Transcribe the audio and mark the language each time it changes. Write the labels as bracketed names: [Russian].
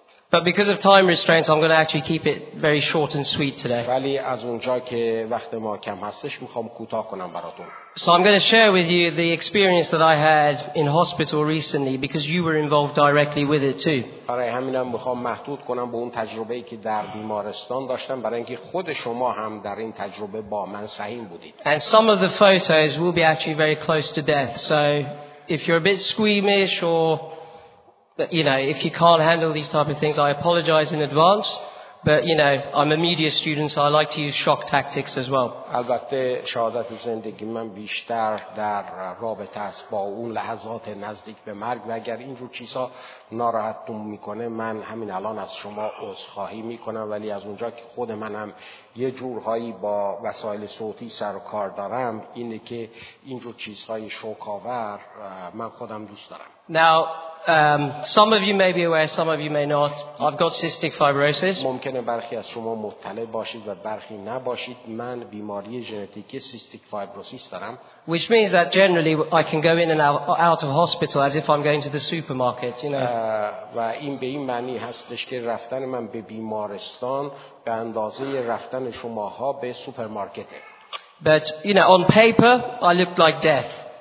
[English] But because of time restraints I'm going to actually keep it very short and sweet today. [Persian] ولی از اونجا که وقت ما کم هستش میخوام کوتاه کنم براتون. [English] So I'm going to share with you the experience that I had in hospital recently because you were involved directly with it too. [Persian] برای همینم میخوام محدود کنم به اون تجربه‌ای که در بیمارستان داشتم برای اینکه خود شما هم در این تجربه با من سهیم بودید. [English] And some of the photos will be actually very close to death. So if you're a bit squeamish or you know, if you can't handle these type of things, I apologize in advance. But you know, I'm a media student, so I like to use shock tactics as well. [Persian] البته شهادت زندگی من بیشتر در رابطه است با اون لحظات نزدیک به مرگ و اگر اینجور چیزها ناراحتتون میکنه من همین الان از شما عذرخواهی میکنم ولی از اونجا که خود منم یه جورهایی با وسایل صوتی سر و کار دارم اینه که اینجور چیزهای شوک‌آور من خودم دوست دارم. [English] Now, some of you may be aware, some of you may not. I've got cystic fibrosis. [Persian] ممکنه برخی از شما مطلع باشید و برخی نباشید. من بیماری ژنتیکی cystic fibrosis دارم. [English] Which means that generally I can go in and out of hospital as if I'm going to the supermarket, you know. [Persian] و این به این معنی هستش که رفتن من به بیمارستان به اندازه رفتن شماها به سوپرمارکته. [English] But you know, on paper I looked like death.